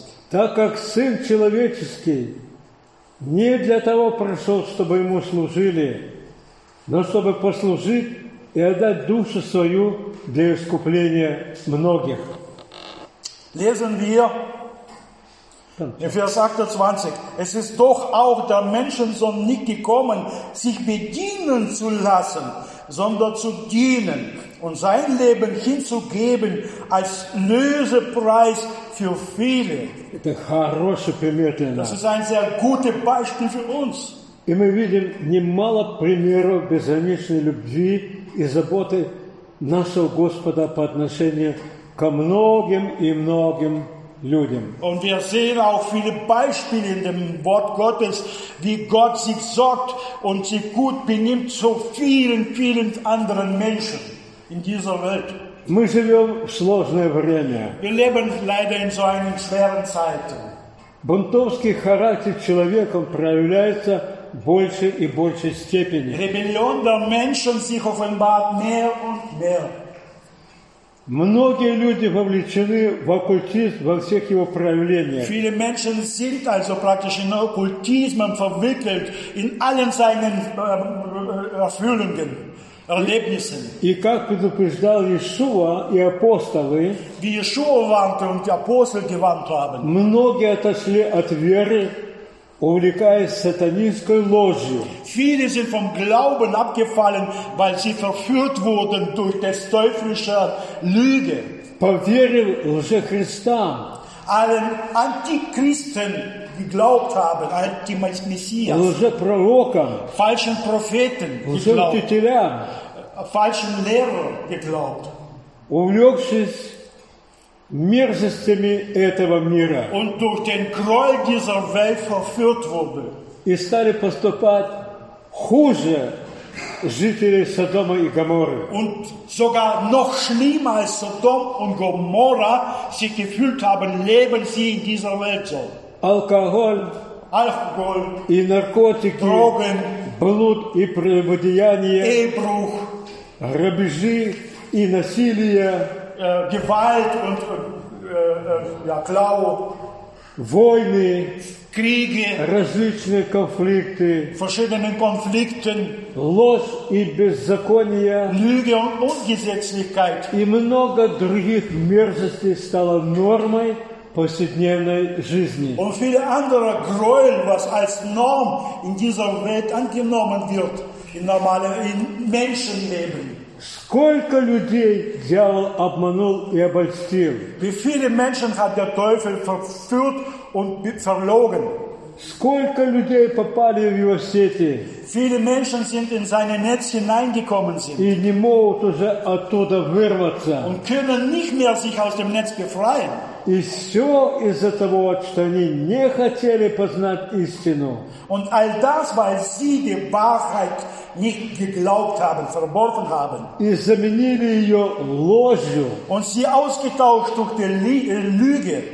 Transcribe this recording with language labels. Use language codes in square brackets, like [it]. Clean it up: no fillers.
[ru] Так как Сын Человеческий не для того пришел, чтобы Ему служили, но чтобы послужить и отдать душу свою для искупления многих. [de] Lesen wir in Vers 28. Es ist doch auch der Menschensohn nicht gekommen, sich bedienen zu lassen, sondern zu dienen und sein Leben hinzugeben als Lösepreis für viele. [ru] Это хороший пример для нас. [de] Das ist ein sehr gutes Beispiel für uns. [ru] И мы видим немало примеров безграничной любви и заботы нашего Господа по отношению ко многим и многим людям. [de] Und wir sehen auch viele Beispiele in dem Wort Gottes, wie Gott sich sorgt und sich gut benimmt zu vielen, vielen anderen Menschen in dieser Welt. [ru] Мы живем в сложное время. [de] Wir leben leider in so einer schweren Zeit. [ru] Бунтовский характер человека проявляется в большей и большей степени. [de] Rebellion der Menschen sich offenbart mehr und mehr. [ru] Многие люди вовлечены в оккультизм во всех его проявлениях. [de] Viele Menschen sind also praktisch in Okkultism verwickelt in allen seinen Erfüllungen. [ru] И как предупреждал Иешуа и апостолы, многие отошли от веры, увлекаясь сатанинской ложью. [de] Viele sind vom Glauben abgefallen, weil sie verführt wurden durch das teuflische Lüge. [ru] Поверив лжехристам, [de] allen Antichristen geglaubt haben, Antimessias, [ru] лжепророкам, [de] falschen Propheten geglaubt. Falschen Lehrer geglaubt. [ru] Увлекшись мерзостями этого мира. [de] Und durch den Groll dieser Welt verführt wurde. [ru] И стали поступать хуже жителей Содома и Гоморры. [de] Und sogar noch schlimmer als Sodom und Gomorra sich gefühlt haben, leben sie in dieser Welt so. [ru] Алкоголь и наркотики, [de] Drogen, [ru] блуд и прелюбодеяние, [de] Ehebruch, [ru] грабежи и насилие, [de] Gewalt und, Klau, [ru] войны, [de] Kriege, [ru] различные конфликты, [de] verschiedenen Konflikten, [ru] ложь и беззаконие, [de] Lüge und Ungesetzlichkeit, [ru] и много других мерзостей стало нормой повседневной жизни. [de] Und viele andere Gräuel, was als Norm in dieser Welt angenommen wird, in normalen in Menschenleben. [ru] Сколько людей дьявол обманул и обольстил? [de] Wie viele Menschen hat der Teufel verführt und verlogen? [ru] Сколько людей попали в его сети? [de] Viele Menschen sind in seine Netz hineingekommen sind. [ru] И не могут уже оттуда вырваться. [de] Und können nicht mehr sich aus dem Netz befreien. [ru] И все из-за того, что они не хотели познать истину. [de] Und all das, weil sie die Wahrheit nicht geglaubt haben, verworfen haben. [ru] И заменили ее ложью. [de] Und sie ausgetauscht durch die Lüge.